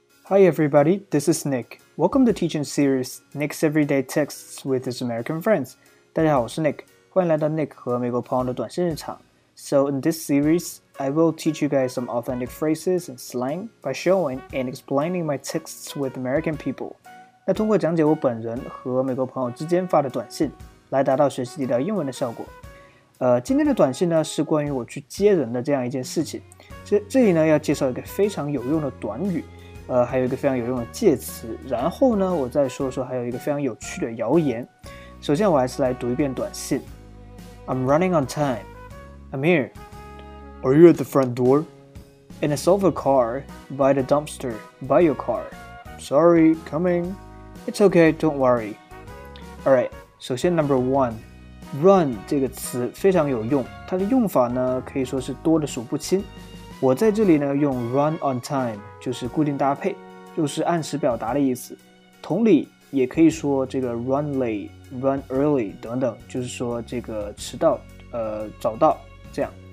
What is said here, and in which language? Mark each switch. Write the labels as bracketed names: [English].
[English] Hi everybody, this is Nick. Welcome to teaching series Nick's Everyday Texts with his American friends. [Chinese] 大家好，我是 Nick， 欢迎来到 Nick 和美国朋友的短信日常。 [English] So in this series, I will teach you guys some authentic phrases and slang by showing and explaining my texts with American people. [Chinese] 那通过讲解我本人和美国朋友之间发的短信，来达到学习地道英文的效果。今天的短信呢，是关于我去接人的这样一件事情。这里呢，要介绍一个非常有用的短语。还有一个非常有用的介词，然后呢，我再说说还有一个非常有趣的谣言。首先，我还是来读一遍短信。 [English] I'm running on time. I'm here. Are you at the front door? In a silver car, by the dumpster, by your car. Sorry, coming. It's okay, don't worry. [Chinese] Alright, 首先 number one, run 这个词非常有用，它的用法呢，可以说是多得数不清。我在这里呢用 run on time， 就是固定搭配，就是按时表达的意思。同理也可以说这个 run late， run early 等等，就是说这个迟到，早到这样。